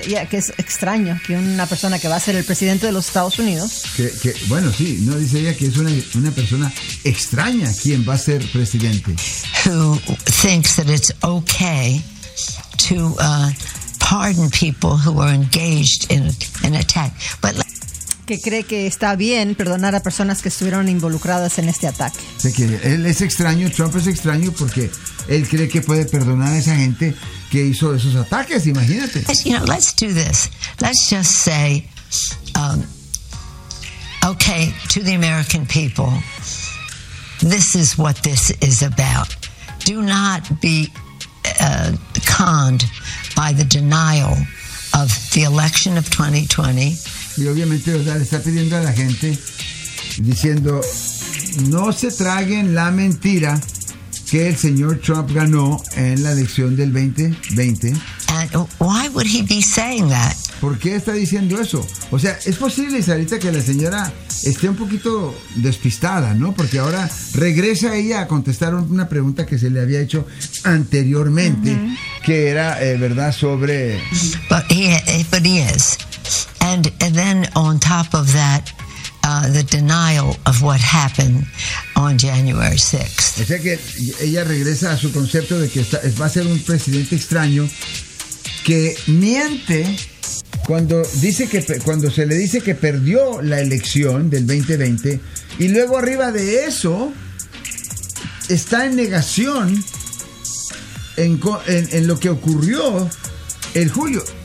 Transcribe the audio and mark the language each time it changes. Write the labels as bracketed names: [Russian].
[Spanish] Que es extraño que una persona que va a ser el presidente de los Estados Unidos... Dice ella que es una persona extraña quien va a ser presidente. [English] Who thinks that it's okay to pardon people who are engaged in an attack. But [Spanish] que cree que está bien perdonar a personas que estuvieron involucradas en este ataque. Sí, que él es extraño, Trump es extraño porque él cree que puede perdonar a esa gente que hizo esos ataques, imagínate. [English] You know, let's do this. Let's just say, okay, to the American people, this is what this is about. Do not be conned by the denial of the election of 2020. [Spanish] Y obviamente, ¿verdad?, le está pidiendo a la gente, diciendo, no se traguen la mentira que el señor Trump ganó en la elección del 2020. [English] And why would he be saying that? [Spanish] ¿Por qué está diciendo eso? O sea, es posible, Sarita, que la señora esté un poquito despistada, ¿no? Porque ahora regresa ella a contestar una pregunta que se le había hecho anteriormente, mm-hmm. que era, ¿verdad?, sobre... [English] But he is. And then on top of that, the denial of what happened on January 6th. [Spanish] O sea que ella regresa a su concepto de que va a ser un presidente extraño que miente cuando se le dice que perdió la elección del 2020 y luego arriba de eso está en negación en lo que ocurrió en julio.